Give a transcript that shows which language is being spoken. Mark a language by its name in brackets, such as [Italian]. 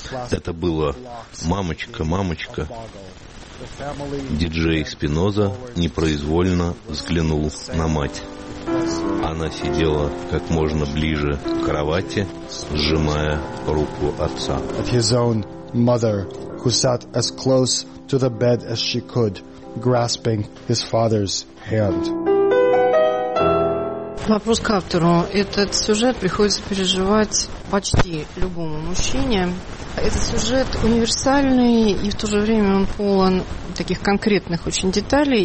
[Russian] Это было «Мамочка, мамочка». Диджей Спиноза непроизвольно взглянул на мать. Она сидела как можно ближе к кровати, сжимая руку отца. [English] At his own mother, who sat as close to the bed as she could, grasping his father's hand. [Russian] Вопрос к автору. Этот сюжет приходится переживать почти любому мужчине. Этот сюжет универсальный, и в то же время он полон таких конкретных очень деталей.